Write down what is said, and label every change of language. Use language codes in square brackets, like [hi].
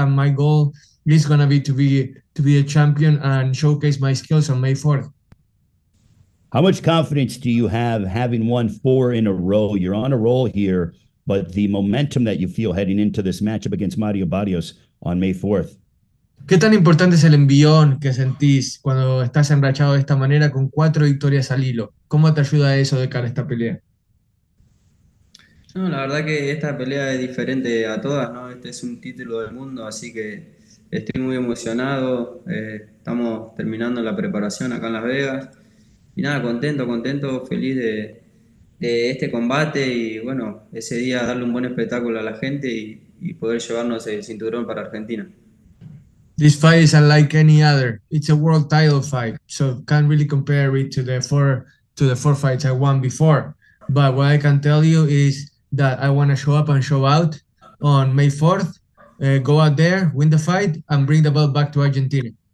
[en] And my goal is going to be a champion and showcase my skills on May 4th. How much confidence do you have having won four in a row? You're on a roll here, but the momentum that you feel heading into this matchup against Mario Barrios on May 4th. [es] ¿Qué tan importante es el envión que sentís cuando estás enrachado de esta manera con cuatro victorias al hilo? ¿Cómo te ayuda eso de cara a esta pelea? No, la verdad que esta pelea es diferente a todas, ¿no? Este es un título del mundo, así que estoy muy emocionado. Estamos terminando la preparación acá en Las Vegas. Y nada, contento, feliz de este combate y bueno, ese día darle un buen espectáculo a la gente y poder llevarnos el cinturón para Argentina. [en] This fight is unlike any other. It's a world title fight, so can't really compare it to the four fights I won before. But what I can tell you is that I want to show up and show out on May 4th, go out there, win the fight, and bring the belt back to Argentina.